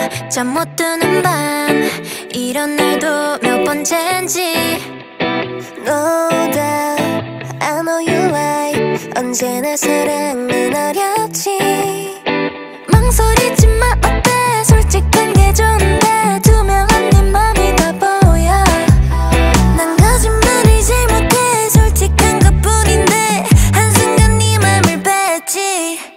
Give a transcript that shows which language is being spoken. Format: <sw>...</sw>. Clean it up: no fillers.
<ko>잠 못 드는 밤 이런 날도 몇 번째인지</ko> <en>No doubt I know you like</en> <ko>언제나 사랑은 어렵지 망설이지 마 어때 솔직한 게 좋은데 투명한 네 맘이 다 보여 난 거짓말이지 못해 솔직한 것뿐인데 한순간 네 맘을 뺐지</ko>